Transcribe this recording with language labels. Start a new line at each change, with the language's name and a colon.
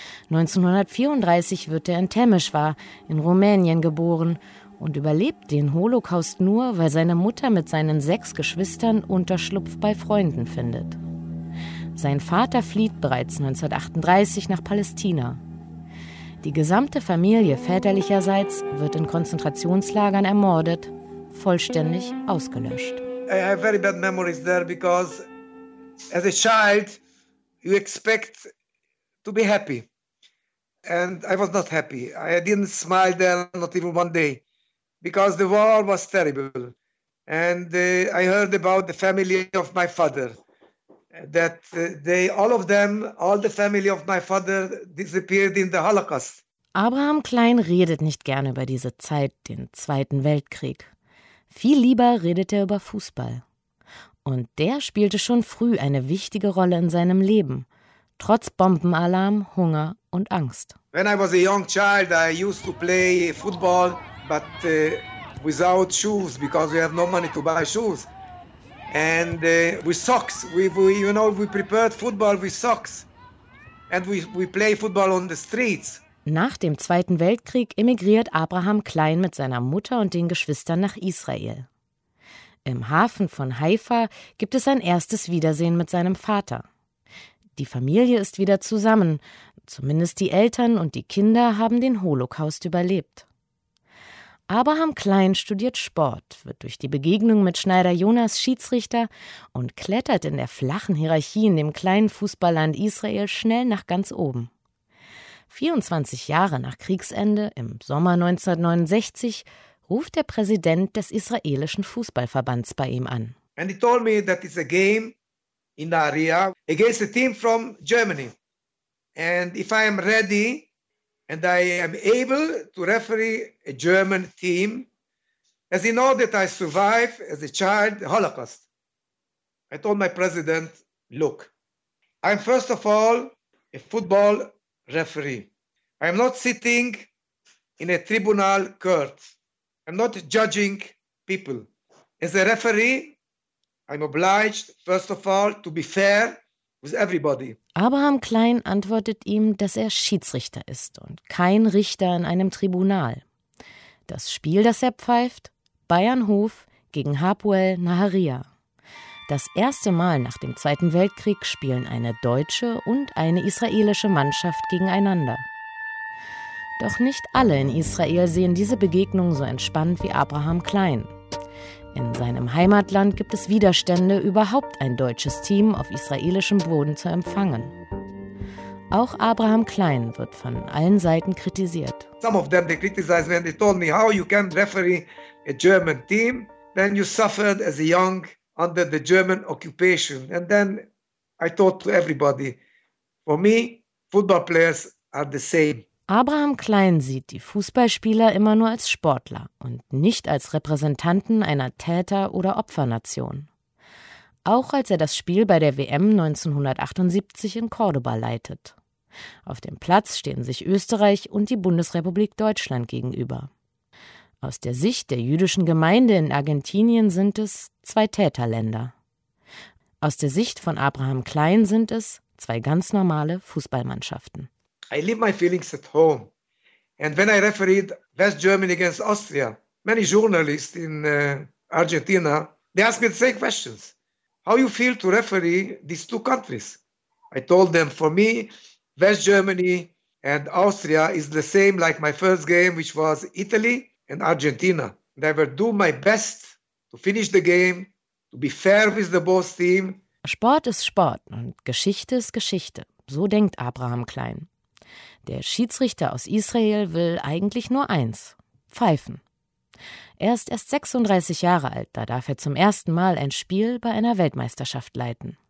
German: 1934 wird er in Temeswar in Rumänien geboren und überlebt den Holocaust nur, weil seine Mutter mit seinen 6 Geschwistern Unterschlupf bei Freunden findet. Sein Vater flieht bereits 1938 nach Palästina. Die gesamte Familie väterlicherseits wird in Konzentrationslagern ermordet, vollständig ausgelöscht.
English: I have very bad memories there because as a child you expect to be happy. And I was not happy. I didn't smile there, not even one day. Because the war was terrible. And I heard about the family of my father. That they, all of them, all the family of my father disappeared in the Holocaust.
German: Abraham Klein redet nicht gerne über diese Zeit, den Zweiten Weltkrieg. Viel lieber redet er über Fußball. Und der spielte schon früh eine wichtige Rolle in seinem Leben. Trotz Bombenalarm, Hunger und Angst. When I was a young child, I used to play football. But without shoes, because we have no money to buy shoes. And with socks, we prepared football with socks. And we play football on the streets. Nach dem Zweiten Weltkrieg emigriert Abraham Klein mit seiner Mutter und den Geschwistern nach Israel. Im Hafen von Haifa gibt es ein erstes Wiedersehen mit seinem Vater. Die Familie ist wieder zusammen. Zumindest die Eltern und die Kinder haben den Holocaust überlebt. Abraham Klein studiert Sport, wird durch die Begegnung mit Schneider Jonas Schiedsrichter und klettert in der flachen Hierarchie in dem kleinen Fußballland Israel schnell nach ganz oben. 24 Jahre nach Kriegsende, im Sommer 1969, ruft der Präsident des israelischen Fußballverbands bei ihm an.
English: And he told me that it's a game in the area against a team from Germany. And if I am ready and I am able to referee a German team, as in order that I survive as a child the Holocaust. I told my president, look, I'm first of all a football referee. I am not sitting in a tribunal court. I'm not judging people. As a referee, I'm obliged, first of all, to be fair with everybody.
German: Abraham Klein antwortet ihm, dass er Schiedsrichter ist und kein Richter in einem Tribunal. Das Spiel, das er pfeift, Bayernhof gegen Hapoel Nahariya. Das erste Mal nach dem Zweiten Weltkrieg spielen eine deutsche und eine israelische Mannschaft gegeneinander. Doch nicht alle in Israel sehen diese Begegnung so entspannt wie Abraham Klein. In seinem Heimatland gibt es Widerstände, überhaupt ein deutsches Team auf israelischem Boden zu empfangen. Auch Abraham Klein wird von allen Seiten kritisiert.
English: Some of them they criticized me and they told me how you can referee a German team when you suffered as a young under the German occupation. And then I thought to everybody, for me, football players are the same.
German: Abraham Klein sieht die Fußballspieler immer nur als Sportler und nicht als Repräsentanten einer Täter- oder Opfernation. Auch als er das Spiel bei der WM 1978 in Córdoba leitet. Auf dem Platz stehen sich Österreich und die Bundesrepublik Deutschland gegenüber. Aus der Sicht der jüdischen Gemeinde in Argentinien sind es zwei Täterländer. Aus der Sicht von Abraham Klein sind es zwei ganz normale Fußballmannschaften.
English: I leave my feelings at home. And when I refereed West Germany against Austria, many journalists in Argentina, they asked me the same questions. How you feel to referee these two countries? I told them, for me, West Germany and Austria is the same like my first game, which was Italy and Argentina. And I will do my best to finish the game, to be fair with the both team.
German: Sport ist Sport und Geschichte ist Geschichte. So denkt Abraham Klein. Der Schiedsrichter aus Israel will eigentlich nur eins: pfeifen. Er ist erst 36 Jahre alt, da darf er zum ersten Mal ein Spiel bei einer Weltmeisterschaft leiten.